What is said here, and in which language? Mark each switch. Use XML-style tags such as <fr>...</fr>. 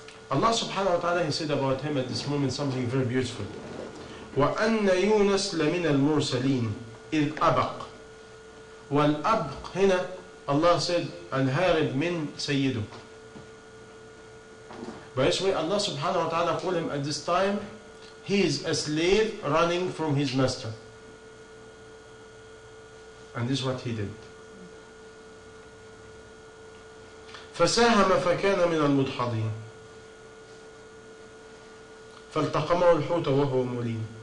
<en>Allah subhanahu wa ta'ala, he said about him at this moment something very beautiful.</en> <ar>وَأَنَّ يُونَسْ لَمِنَ الْمُرْسَلِينَ إِذْ أَبَقْ وَالْأَبْقْ هنا</ar> <en>Allah said</en> <ar>الْهَارِبْ مِنْ سَيِّدُكْ.</ar> <en>By this way, Allah subhanahu wa ta'ala called him at this time, he is a slave running from his master. And this is what he did.</en> <ar>فَسَاهَمَ فَكَانَ مِنَ الْمُدْحَضِينَ فَالْتَقَمَهُ الْحُوتَ وَهُوَ مُلِينَ.</ar>